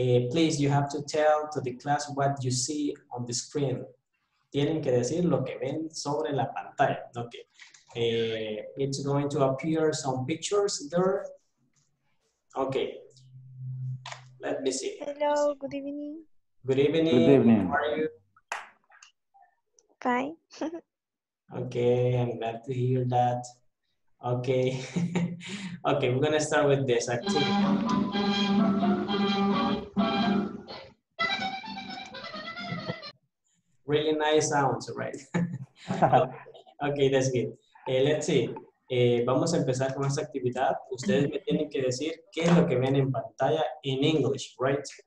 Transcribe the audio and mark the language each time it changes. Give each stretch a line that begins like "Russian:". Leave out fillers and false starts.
English: Please, you have to tell to the class what you see on the screen.
Spanish: Tienen que decir lo que ven sobre la pantalla.
English: Okay. It's going to appear some pictures there. Okay. Let me see. Hello, good evening. Good evening. Good evening. How are you? Fine. Okay, I'm glad to hear that. Okay. Okay, we're gonna start with this activity. Really nice sounds, right? Okay, that's good. Let's see.
Spanish: Vamos a empezar con esta actividad. Ustedes me tienen que decir qué es lo que ven en pantalla en
English: English, right?